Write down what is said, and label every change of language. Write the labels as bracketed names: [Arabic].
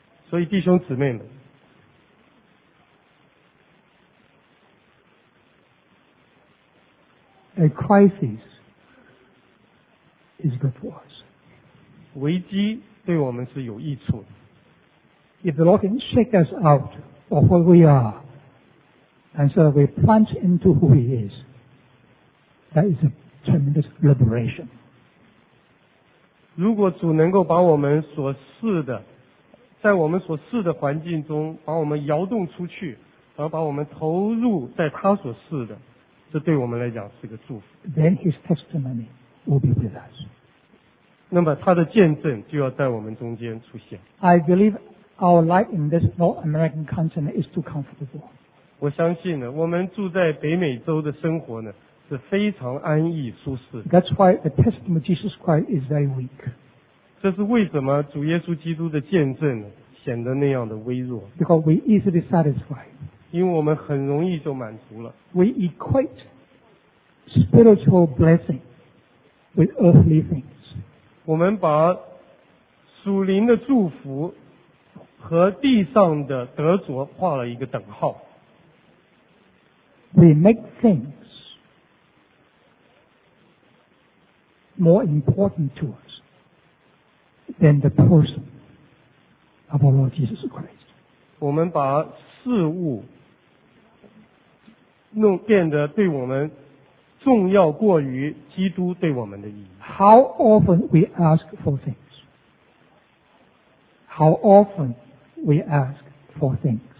[Chinese] 所以弟兄姊妹们， [English] a crisis is good for us. [Chinese] 危机对我们是有益处的。 [English] If the Lord can shake us out of where we are, and so we plunge into who He is, that is a tremendous liberation. [Chinese] 如果主能够把我们所视的，在我们所视的环境中把我们摇动出去，而把我们投入在他所视的，这对我们来讲是个祝福。 [English] Then His testimony will be with us. [Chinese] 那么他的见证就要在我们中间出现。 [English] I believe our life in this North American continent is too comfortable. [Chinese] 我相信呢，我们住在北美洲的生活呢是非常安逸舒适。 [English] That's why the testimony of Jesus Christ is very weak. [Chinese] 这是为什么主耶稣基督的见证呢显得那样的微弱。 [English] Because we easily satisfy. [Chinese] 因为我们很容易就满足了。 [English] We equate spiritual blessing with earthly things. [Chinese] 我们把属灵的祝福和地上的得着画了一个等号。 [English] We make things more important to us than the person of our Lord Jesus Christ. [Chinese] 我们把事物弄变得对我们重要过于基督对我们的意义。 [English] How often we ask for things? How often we ask for things?